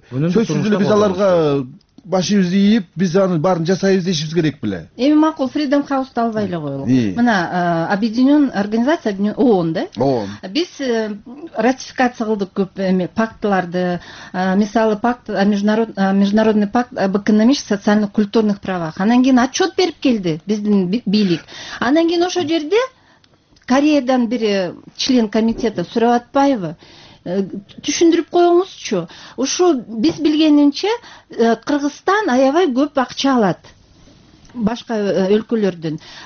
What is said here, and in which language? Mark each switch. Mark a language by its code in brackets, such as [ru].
[ky] Сөзсүз эле биз аларга башыбызды ийип биз анын баарын жасайбыз дешибиз керек беле. Эми макул, Freedom House'ты албай эле коелу. Мына объединен организация ООН да? ООН. Биз ратификация кылдык көп эми пактыларды. [ru] Мисалы пакт международный пакт об экономических, социальных, культурных правах. [ky] Анан кийин отчет берип келди биздин бийлик. Анан кийин ошо жерде Кореядан бири член комитета сурап атпайбы? Түшүндүрүп коюңузчу. Ушу биз билгенинче Кыргызстан аябай көп акча алат башка өлкөлөрдүн.